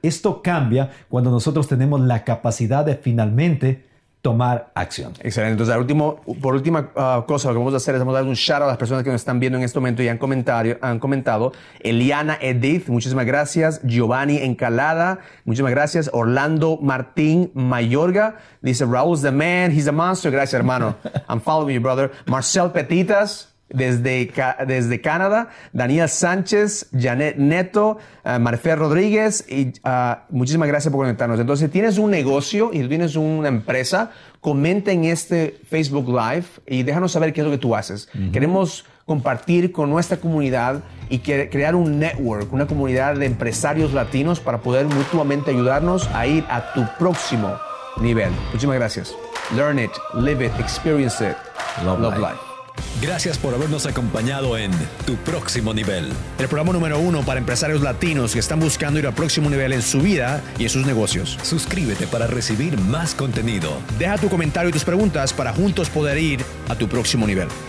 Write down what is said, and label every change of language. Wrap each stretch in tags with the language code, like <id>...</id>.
<es>Esto cambia cuando nosotros tenemos la capacidad de finalmente tomar acción. Excelente. Entonces, por última cosa, lo que vamos a hacer es vamos a dar un shout a las personas que nos están viendo en este momento y han comentado. Eliana Edith, muchísimas gracias. Giovanni Encalada, muchísimas gracias.</es> <en>Orlando Martín Mayorga,</en> <es>dice,</es> <en>Raúl's the man, he's a monster.</en> <es>Gracias, hermano.</es> <en>I'm following you, brother.</en> <es>Marcel Petitas, desde Canadá, Daniel Sánchez, Janet Neto, Marfer Rodríguez, y muchísimas gracias por conectarnos. Entonces, si tienes un negocio y tú tienes una empresa, comenta en este Facebook Live y déjanos saber qué es lo que tú haces. Queremos compartir con nuestra comunidad y crear un network, una comunidad de empresarios latinos para poder mutuamente ayudarnos a ir a tu próximo nivel. Muchísimas gracias.</es> <en>Learn it, live it, experience it. Love life.</en> <es>Gracias por habernos acompañado en Tu Próximo Nivel, el programa número 1 para empresarios latinos que están buscando ir al próximo nivel en su vida y en sus negocios. Suscríbete para recibir más contenido. Deja tu comentario y tus preguntas para juntos poder ir a tu próximo nivel.</es>